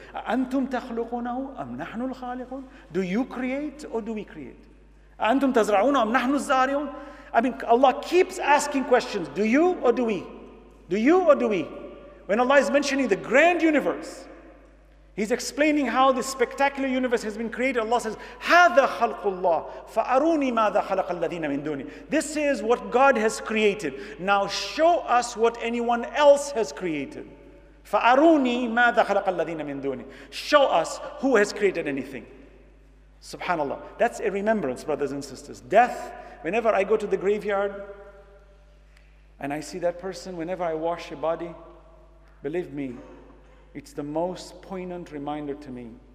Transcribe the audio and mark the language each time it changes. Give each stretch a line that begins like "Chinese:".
Arabic: أَنْتُمْ تَخْلُقُونَهُ أَمْ نَحْنُ الْخَالِقُونَ?
English: Do you create or do we create?
Arabic: أَنْتُمْ تَزْرَعُونَ أَمْ نَحْنُ الزَّارِعُونَ?
English: I mean, Allah keeps asking questions. Do you or do we? Do you or do we? When Allah is mentioning the grand universe, He's explaining how this spectacular universe has been created. Allah says,
Arabic: هَذَا خَلْقُ اللَّهِ فَأَرُونِي مَاذَا خَلَقَ الَّذِينَ مِنْ دُونِي.
English: This is what God has created. Now show us what anyone else has created.
Arabic: فَأَرُونِي مَاذَا خَلَقَ الَّذِينَ مِنْ دُونِي.
English: Show us who has created anything. Subhanallah. That's a remembrance, brothers and sisters. Death. Whenever I go to the graveyard and I see that person, whenever I wash a body, believe me, it's the most poignant reminder to me.